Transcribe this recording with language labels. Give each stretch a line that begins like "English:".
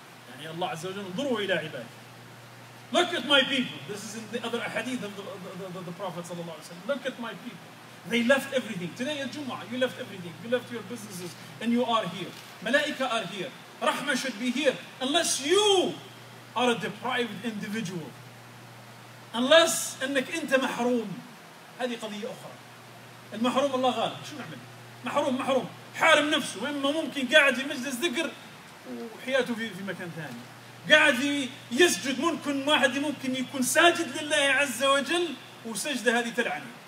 Arabic: يعني الله عز وجل انظروا إلى عباده.
English: Look at my people. This is in the other hadith of the Prophet صلى الله عليه وسلم. Look at my people. They left everything. Today at Jumu'ah, you left everything. You left your businesses and you are here. Malaika are here. Rahmah should be here. Unless you are a deprived individual.
Arabic: Unless أنك أنت محروم. هذه قضية أخرى. المحروم الله غالب، شو نعمل؟ محروم، حارم نفسه، وإما ممكن قاعد في مجلس ذكر وحياته في مكان ثاني. قاعد يسجد، ممكن واحد ممكن يكون ساجد لله عز وجل وسجدة هذه تلعن.